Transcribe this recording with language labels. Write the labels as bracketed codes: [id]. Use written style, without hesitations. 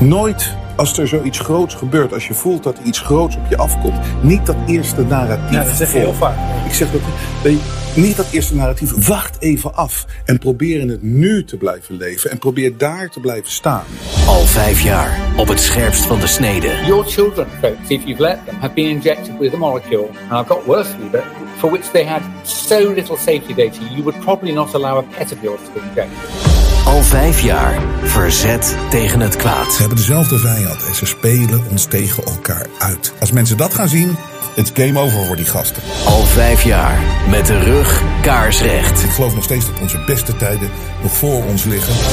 [nl] Nooit als er zoiets groots gebeurt, als je voelt dat iets groots op je afkomt. Niet dat eerste narratief. Ja, dat zeg je heel vaak. Ik zeg dat niet dat eerste narratief. Wacht even af en probeer in het nu te blijven leven. En probeer daar te blijven staan. Al 5 jaar op het scherpst van de snede. [en] Your children, folks, if you've let them, have been injected with a molecule. And I've got worse for you, but for which they had so little safety data. You would probably not allow a pet of yours to be injected. [nl] Al 5 jaar verzet tegen het kwaad. We hebben dezelfde vijand en ze spelen ons tegen elkaar uit. Als mensen dat gaan zien, Het is game over voor die gasten. Al 5 jaar met de rug kaarsrecht. Ik geloof nog steeds dat onze beste tijden nog voor ons liggen.